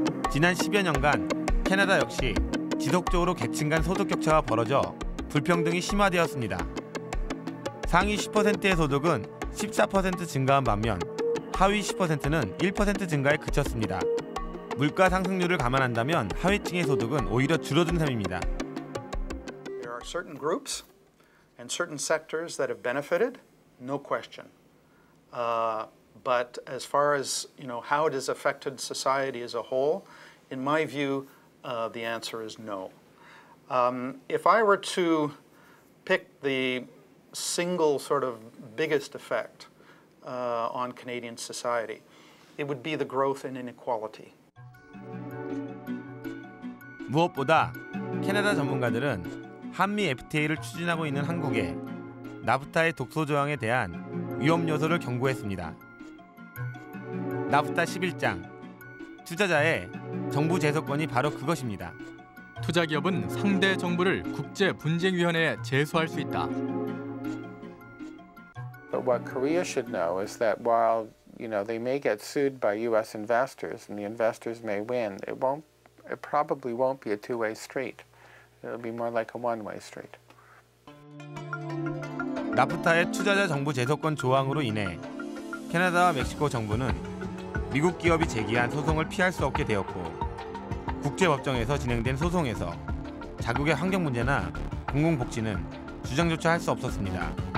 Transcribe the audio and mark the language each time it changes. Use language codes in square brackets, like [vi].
[ko] 지난 10여 년간 캐나다 역시 지속적으로 계층 간 소득 격차가 벌어져 불평등이 심화되었습니다. 상위 10%의 소득은 14% 증가한 반면 하위 10%는 1% 증가에 그쳤습니다. 물가 상승률을 감안한다면 하위층의 소득은 오히려 줄어든 셈입니다. [en] There are certain groups and certain sectors that have benefited, no question. But as far as, you know, how it has affected society as a whole, in my view, the answer is no. If I were to pick the single sort of biggest effect on Canadian society, it would be the growth in inequality. [ko] 무엇보다 캐나다 전문가들은 한미 FTA를 추진하고 있는 한국에 나프타의 독소 조항에 대한 위험 요소를 경고했습니다. 나프타 11장, 투자자의 정부 제소권이 바로 그것입니다. 투자 기업은 상대 정부를 국제 분쟁 위원회에 제소할 수 있다. [en] But what Korea should know is that while, you know, they may get sued by US investors and the investors may win, it probably won't be a two-way street. It'll be more like a one-way street. [ko] 나프타의 투자자 정부 제소권 조항으로 인해 캐나다와 멕시코 정부는 미국 기업이 제기한 소송을 피할 수 없게 되었고 국제법정에서 진행된 소송에서 자국의 환경 문제나 공공복지는 주장조차 할 수 없었습니다.